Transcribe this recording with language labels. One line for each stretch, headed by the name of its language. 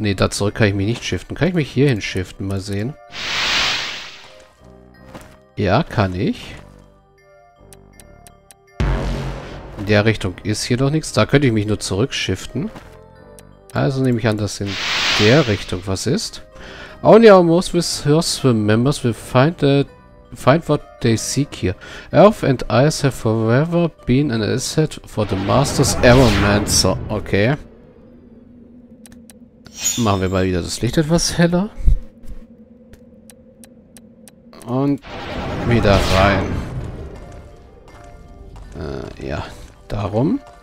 German: Ne, da zurück kann ich mich nicht shiften. Kann ich mich hier hinschiften? Mal sehen. Ja, kann ich. In der Richtung ist hier doch nichts. Da könnte ich mich nur zurückschiften. Also nehme ich an, dass in der Richtung was ist.
English: Only our most resourceful members will find what they seek here. Earth and ice have forever been an asset for the master's aeromancer. Okay.
German: Machen wir mal wieder das Licht etwas heller. Und wieder rein. Ja, darum.